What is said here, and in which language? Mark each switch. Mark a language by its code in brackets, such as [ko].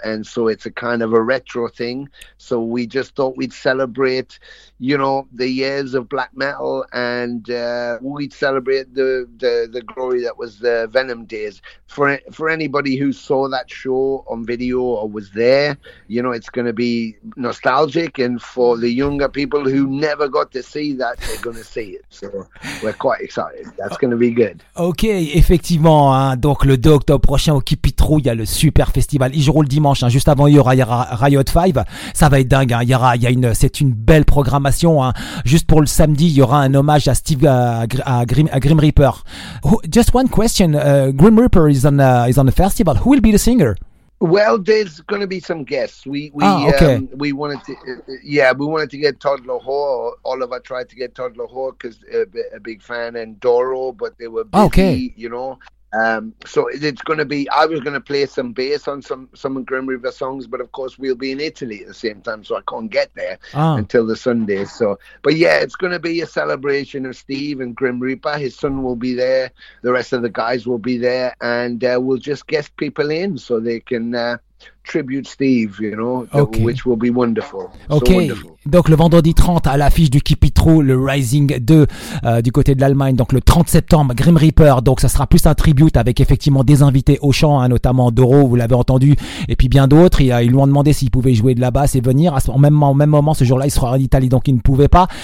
[en] And so it's a kind of a retro thing. So we just thought we'd celebrate, you know, the years of black metal. And we'd celebrate the glory that was the Venom days. for anybody who saw that show on video or was there, you know, it's going to be nostalgic. And for the younger people who never got to see that, they're going to see it. So we're quite excited. That's going to be good. [fr] Ok, effectivement, hein, donc le 2 octobre prochain au Kipitrou, il y a le super festival. Il joue le dimanche, hein, juste avant, il y aura Riot 5. Ça va être dingue, hein. C'est une belle programmation, hein. Juste pour le samedi, il y aura un hommage à Grim Reaper. [en] Just one question, Grim Reaper is on the festival. Who will be the singer? Well, there's going to be some guests. We wanted to get Todd Lahore. Oliver tried to get Todd Lahore because a big fan, and Doro, but they were busy. Okay. You know. So it's going to be, I was going to play some bass on some Grim Reaper songs, but of course we'll be in Italy at the same time, so I can't get there until the Sunday. So, but yeah, it's going to be a celebration of Steve and Grim Reaper. His son will be there, the rest of the guys will be there, and we'll just get people in so they can tribute Steve, you know. Okay. Which will be wonderful. Okay. So wonderful. [fr] Donc le vendredi 30 à l'affiche du Kipitrou, le Rising 2 du côté de l'Allemagne, donc le 30 septembre Grim Reaper, donc ça sera plus un tribute avec effectivement des invités au chant, hein, notamment Doro, vous l'avez entendu, et puis bien d'autres. Ils lui ont demandé s'il pouvait jouer de la basse et venir au même moment ce jour-là. Il sera en Italie, donc il ne pouvait pas.